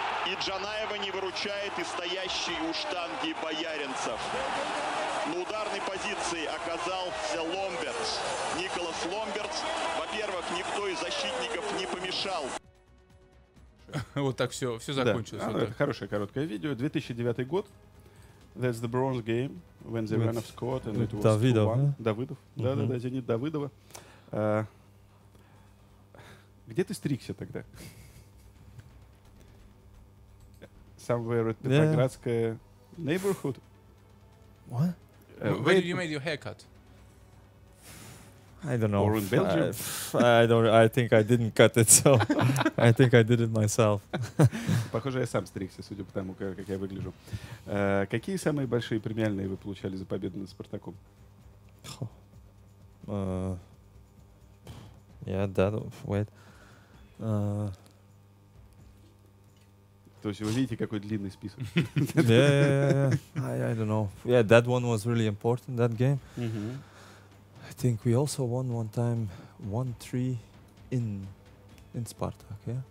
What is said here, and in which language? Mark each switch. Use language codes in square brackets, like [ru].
[ru] И Джанаева не выручает и стоящий у штанги Бояринцев. На ударной позиции оказался Ломберс. Николас Ломберс. Во-первых, никто из защитников не помешал. Вот так все закончилось. Да. Вот это хорошее короткое видео. 2009 год. [en] That's the bronze game. When they ran off Scott and it was [ru] Давыдов. Давыдов. Да-да-да, Зенит Давыдова. Где ты стригся тогда? [en] Somewhere at Petrogradskaya neighborhood. What? Where did you make your haircut? I don't know. Or in Belgium? I think I didn't cut it, so I think I did it myself. [ru] Похоже, я сам стригся, судя по тому, как я выгляжу. Какие самые большие премиальные вы получали за победу над Спартаком? То есть вы видите, какой длинный список. [en] Yeah. I don't know. Yeah, that one was really important, that game. Mm-hmm. I think we also won one time 1-3 in Spartak, yeah?